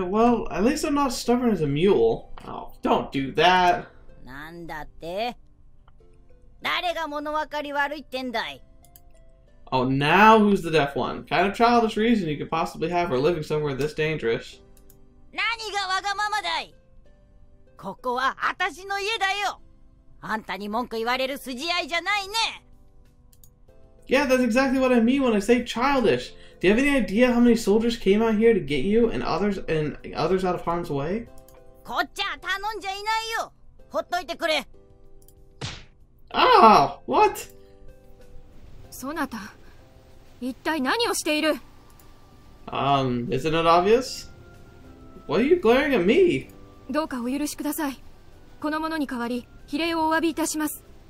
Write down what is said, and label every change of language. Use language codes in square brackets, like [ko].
[en] Yeah, well, at least I'm not stubborn as a mule. Oh, don't do that. [ja] なんだって? 誰が物分かり悪いってんだい? [en] Oh, now who's the deaf one? Kind of childish reason you could possibly have for living somewhere this dangerous. [ja] 何がわがままだい?ここは私の家だよ! あんたに文句言われる筋合いじゃないね! [en] Yeah, that's exactly what I mean when I say childish. Do you have any idea how many soldiers came out here to get you and others out of harm's way? [ja] こっちは頼んじゃいないよ! ほっといてくれ! [en] Ah! What? [ja] そなた...一体何をしている? [en] Isn't it obvious? Why are you glaring at me? [ja] どうかお許しください。このものに代わり、比例をお詫びいたします。